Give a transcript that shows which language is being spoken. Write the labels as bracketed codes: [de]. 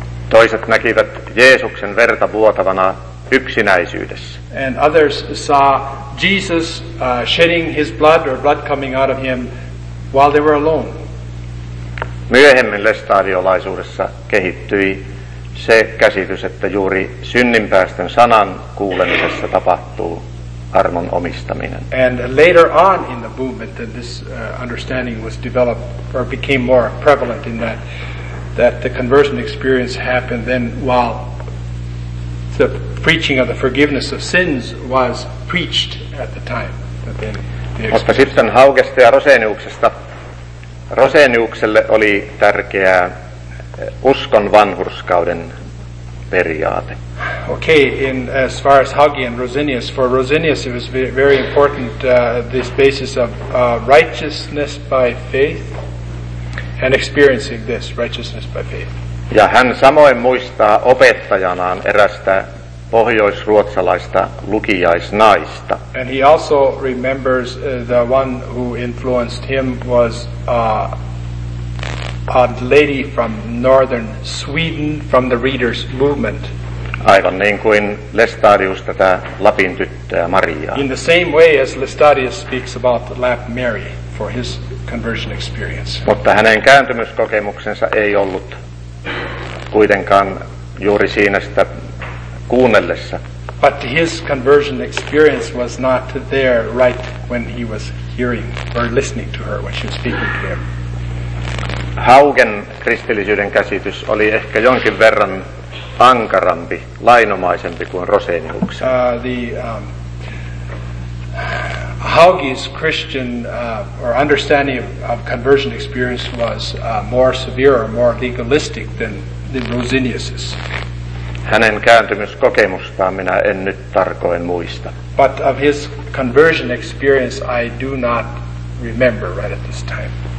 [fi] Toiset näkivät Jeesuksen verta vuotavana yksinäisyydessä. [en] And others saw Jesus shedding his blood or blood coming out of him while they were alone. [fi] Myöhemmin lestadiolaisuudessa kehittyi se käsitys, että juuri synninpäästön sanan kuulemisessa tapahtuu armon omistaminen. [en] And later on in the movement that this understanding was developed or became more prevalent in that the conversion experience happened then while the preaching of the forgiveness of sins was preached at the time. [fi] Mutta sitten Haugesta ja Roseniuksesta. Roseniukselle oli tärkeää uskon vanhurskauden periaate. [en] Okay, in as far as Haugi and Rosinius, for Rosinius it was very important this basis of righteousness by faith and experiencing this righteousness by faith. [fi] Ja hän samoin muistaa opettajanaan erästä pohjoisruotsalaista lukijaisnaista. [en] And he also remembers the one who influenced him was a lady from northern Sweden from the readers movement. [fi] Aivan niin kuin Lestadius tätä Lapin tyttöä Mariaa. [en] In the same way as Lestadius speaks about Lap Mary for his conversion experience. [fi] Mutta hänen kääntymyskokemuksensa ei ollut kuitenkaan juuri siinä sitä kuunnellessa. [en] But his conversion experience was not there right when he was hearing or listening to her when she was speaking to him. [fi] Haugen kristillisyyden käsitys oli ehkä jonkin verran ankarampi, lainomaisempi kuin Roseniuksen. [en] Hauge's Christian or understanding of conversion experience was more severe or more legalistic than Roseniuses. [fi] Hänen kääntymyskokemustaan minä en nyt tarkoin muista. [en] But of his conversion experience I do not remember right at this time.